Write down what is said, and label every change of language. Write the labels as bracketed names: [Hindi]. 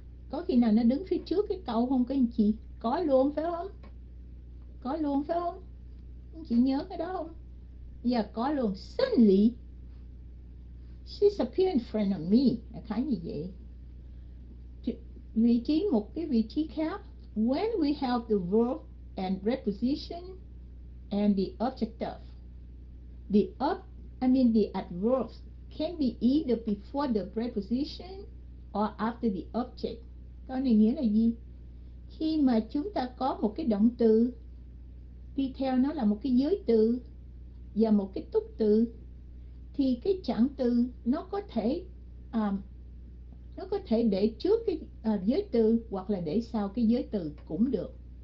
[Vietnamese] Có khi nào nó đứng phía trước cái câu không các anh chị? Có luôn phải không? Có luôn phải không? Anh chị nhớ cái đó không? Giờ yeah, có luôn. [English] Suddenly she's appearing in front of me. [Vietnamese] Khá như vậy. Vị trí, một cái vị trí khác. [English] When we have the verb and preposition and the objective. The up, I mean the adverbs, can be either before the preposition or after the object. [Vietnamese] Câu này nghĩa là gì? Khi mà chúng ta có một cái động từ, đi theo nó là một cái giới từ và một cái túc từ, thì cái trạng từ nó có thể để trước cái giới từ hoặc là để sau cái giới từ cũng được.